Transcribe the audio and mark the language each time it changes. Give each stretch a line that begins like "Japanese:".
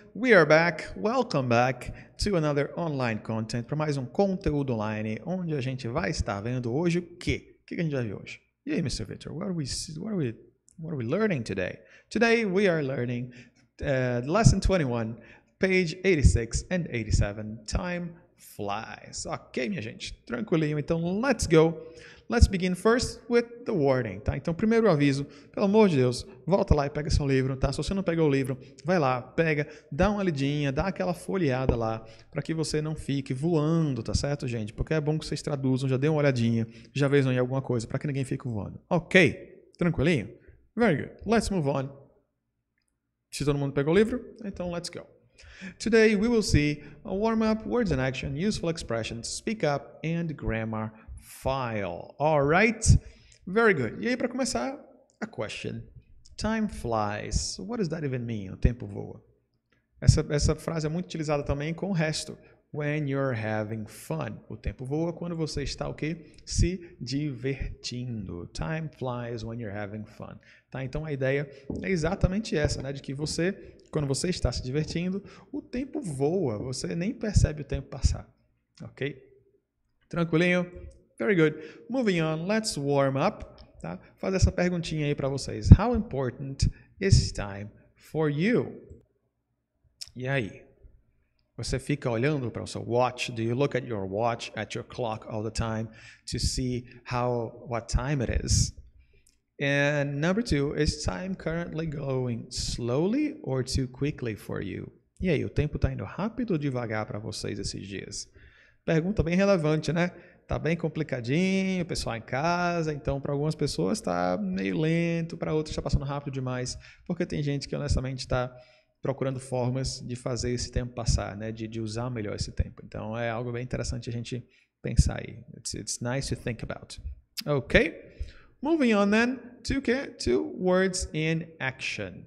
English: We are back, welcome back to another online content,
Portuguese: para mais um conteúdo online, onde a gente vai estar vendo hoje o quê? O que a gente vai ver hoje? E aí, Mr. Vítor,
English: what are we learning today? Today we are learning lesson 21, page 86 and 87, time flies. Ok,
Portuguese: minha gente, tranquilinho, então
English: let's go. Let's begin first with the warning, tá?
Portuguese: Então, primeiro aviso, pelo amor de Deus, volta lá e pega seu livro, tá? Se você não pegou o livro, vai lá, pega, dá uma lidinha, dá aquela folheada lá, para que você não fique voando, tá certo, gente? Porque é bom que vocês traduzam, já dê uma olhadinha, já vejam aí alguma coisa, para que ninguém fique voando.
English: Ok, tranquilinho? Very good. Let's move on.
Portuguese: Se todo mundo pegou o livro, então
English: let's go. Today we will see a warm-up, words and action, useful expressions, speak up and grammar. File. All right. Very good.
Portuguese: E aí, para começar,
English: a question. Time flies. What does that even mean?
Portuguese: O tempo voa. Essa frase é muito utilizada também com o resto.
English: When you're having fun.
Portuguese: O tempo voa quando você está o quê? Se divertindo.
English: Time flies when you're having fun.
Portuguese: Tá? Então, a ideia é exatamente essa, né? De que você, quando você está se divertindo, o tempo voa. Você nem percebe o tempo passar. Ok? Tranquilinho?
English: Very good. Moving on, let's warm up.
Portuguese: Tá? Fazer essa perguntinha aí para vocês.
English: How important is time for you? E aí?
Portuguese: Você fica olhando para o seu watch?
English: Do you look at your watch, at your clock all the time to see what time it is? And number two, is time currently going slowly or too quickly for you?
Portuguese: E aí, o tempo está indo rápido ou devagar para vocês esses dias? Pergunta bem relevante, né? Tá bem complicadinho, o pessoal em casa, então para algumas pessoas tá meio lento, para outras tá passando rápido demais, porque tem gente que honestamente está procurando formas de fazer esse tempo passar, né? De usar melhor esse tempo. Então é algo bem interessante a gente pensar aí.
English: It's nice to think about. Ok? Moving on then to get to words in action.